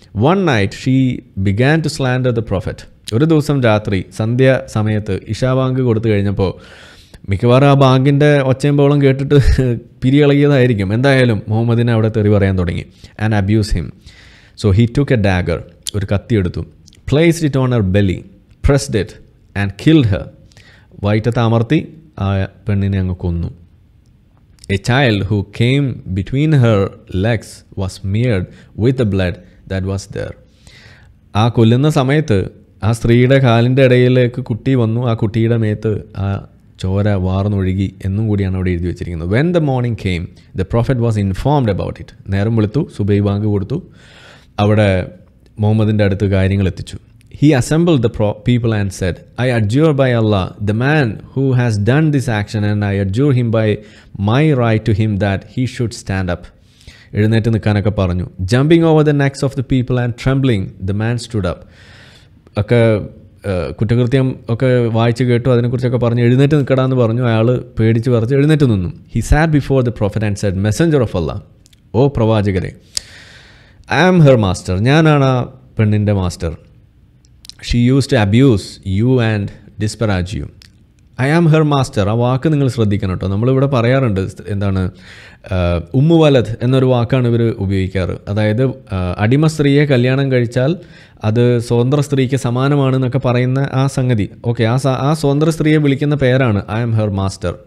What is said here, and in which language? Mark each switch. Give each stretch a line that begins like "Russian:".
English: One night she began to slander the prophet.
Malayalam: ഒരു ദിവസം രാത്രി സന്ധ്യ സമയത്ത് ഇഷാബാങ്ക് കൊടുത്തു കഴിഞ്ഞപ്പോൾ മിക്കവാറും ആ ബാങ്കിൻ്റെ ഒച്ചയമ്പോളം കേട്ടിട്ട് പിരിയിളകിയതായിരിക്കും. എന്തായാലും മുഹമ്മദിനെ അവിടെ തെറി പറയാൻ തുടങ്ങി.
English: And abuse him. So he took a dagger.
Malayalam: ഒരു കത്തി എടുത്തു.
English: Placed it on her belly. Pressed it and killed her.
Malayalam: വയറ്റത്ത് അമർത്തി ആ പെണ്ണിനെ അങ്ങ് കൊന്നു.
English: A child who came between her legs was smeared with the blood that was there.
Malayalam: ആ കൊല്ലുന്ന സമയത്ത് ആ സ്ത്രീയുടെ കാലിൻ്റെ ഇടയിലേക്ക് കുട്ടി വന്നു. ആ കുട്ടിയുടെ മേത്ത് ആ ചോര വാർന്നൊഴുകി എന്നും കൂടിയാണ് അവിടെ എഴുതി വെച്ചിരിക്കുന്നത്.
English: When the morning came, the prophet was informed about it.
Malayalam: നേരം വിളിത്തു, സുബൈ വാങ്ക് കൊടുത്തു, അവിടെ മുഹമ്മദിൻ്റെ അടുത്ത് കാര്യങ്ങൾ എത്തിച്ചു.
English: He assembled the people and said, I adjure by Allah, the man who has done this action, and I adjure him by my right to him that he should stand up.
Malayalam: എഴുന്നേറ്റ് നിൽക്കാനൊക്കെ പറഞ്ഞു.
English: Jumping over the necks of the people and trembling, the man stood up.
Malayalam: ഒക്കെ കുറ്റകൃത്യം ഒക്കെ വായിച്ച് കേട്ടു, അതിനെക്കുറിച്ചൊക്കെ പറഞ്ഞു, എഴുന്നേറ്റ് നിൽക്കടാന്ന് പറഞ്ഞു. അയാൾ പേടിച്ച് പറിച്ച് എഴുന്നേറ്റ് നിന്നു.
English: He sat before the prophet and said, Messenger of Allah, O പ്രവാചകരെ, I am her master.
Malayalam: ഞാനാണ് ആ പെണ്ണിൻ്റെ master.
English: She used to abuse you and disparage you. I am her master.
Malayalam: ആ വാക്ക് നിങ്ങൾ ശ്രദ്ധിക്കണം കേട്ടോ. നമ്മളിവിടെ പറയാറുണ്ട് എന്താണ്, ഉമ്മു വലത് എന്നൊരു വാക്കാണ് ഇവർ ഉപയോഗിക്കാറ്. അതായത് അടിമ സ്ത്രീയെ കല്യാണം കഴിച്ചാൽ അത് സ്വതന്ത്ര സ്ത്രീക്ക് സമാനമാണെന്നൊക്കെ പറയുന്ന ആ സംഗതി. ഓക്കെ, ആ സ്വതന്ത്ര സ്ത്രീയെ വിളിക്കുന്ന പേരാണ്
English: I am her master.